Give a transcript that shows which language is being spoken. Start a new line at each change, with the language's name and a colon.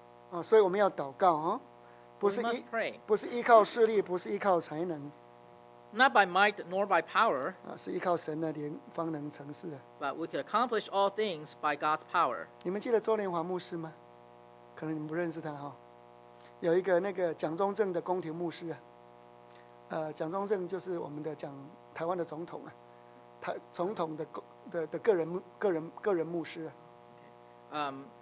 Chinese: 哦，所以我们要祷告哦，不是依
English: We must pray.
Chinese: 不是依靠势力，不是依靠才能。
English: Not by might nor by power,
Chinese: 是依靠神的灵方能成事。
English: But we could accomplish all things by God's power.
Chinese: 你们记得周连华牧师吗？可能你们不认识他哈、哦。有一个那个蒋中正的宫廷牧师啊，蒋中正就是我们的讲台湾的总统啊，总统的个人牧师啊。